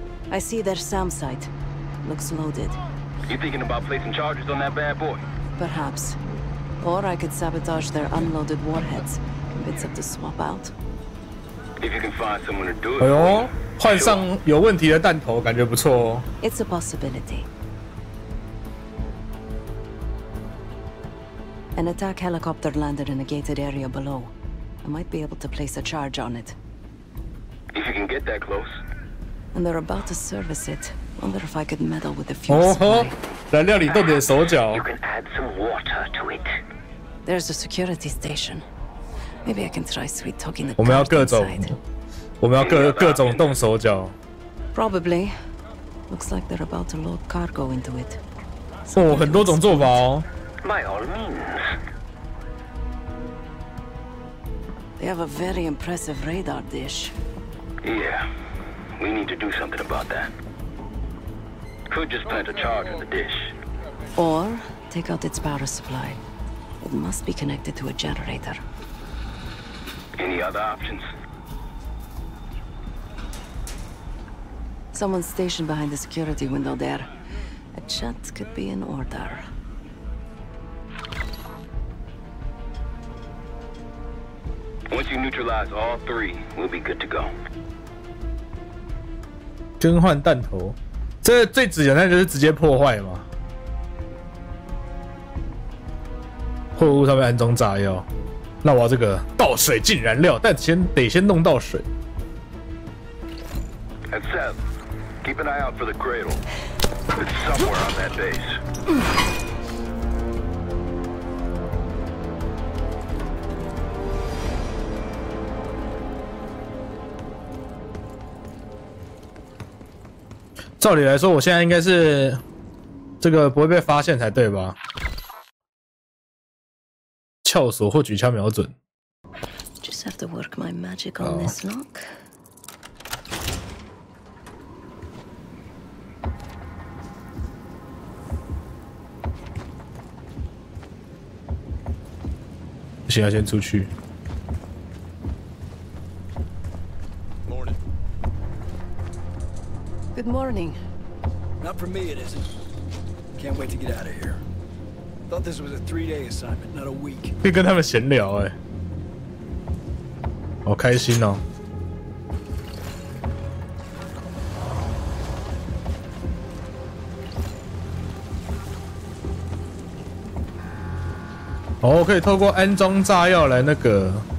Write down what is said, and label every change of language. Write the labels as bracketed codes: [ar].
[en] I see their SAM site. Looks loaded. You thinking about placing charges on that bad boy? Perhaps. Or I could sabotage their unloaded warheads. Bits up to swap out. If you can find someone to do it. [zh] 哎呦，换上有问题的弹头，感觉不错哦。 [en] It's a possibility. An attack helicopter landed in a gated area below. I might be able to place a charge on it. If you can get that close. And they're about to service it. Wonder if I could meddle with the fuel supply. [zh] 燃料里动你的手脚。 [en] You can add some water to it. There's a security station. Maybe I can try sweet talking the. [zh] 我们要各种，我们要各种动手脚。 [en] Probably. Looks like they're about to load cargo into it. [zh] 哦，很多种做法哦。 [en] By all means. They have a very impressive radar dish. Yeah. We need to do something about that. Could just plant a charge in the dish. Or take out its power supply. It must be connected to a generator. Any other options? Someone stationed behind the security window there. A chat could be in order. Once you neutralize all three, we'll be good to go. [zh] 更换弹头，这最直接的就是直接破坏嘛。货物上面安装炸药，那我要这个倒水进燃料，但得先弄到水。 [en] And Seth, keep an eye out for the cradle. It's somewhere on that base. [zh] 照理来说，我现在应该是这个不会被发现才对吧？撬锁或举枪瞄准。 [en] Just have to work my magic on this lock. [zh] 不行，要先出去。 [en] Good morning. Not for me, it isn't. Can't wait to get out of here. Thought this was a three-day assignment, not a week. [zh] 可以跟他们闲聊哎，好开心哦。哦，可以透过安装炸药来那个。